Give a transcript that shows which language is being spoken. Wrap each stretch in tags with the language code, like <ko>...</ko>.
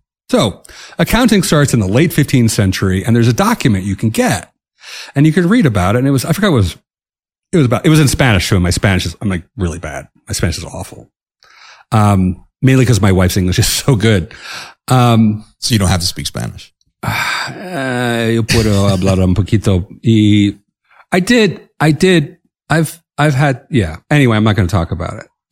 <en>So accounting starts in the late 15th century and there's a document you can get and you can read about it. And it was in Spanish too. And I'm like really bad. My Spanish is awful. Mainly because my wife's English is so good. So you don't have to speak Spanish.</en> <es>Yo puedo hablar un poquito.</es> <en>I did. Anyway, I'm not going to talk about it.</en>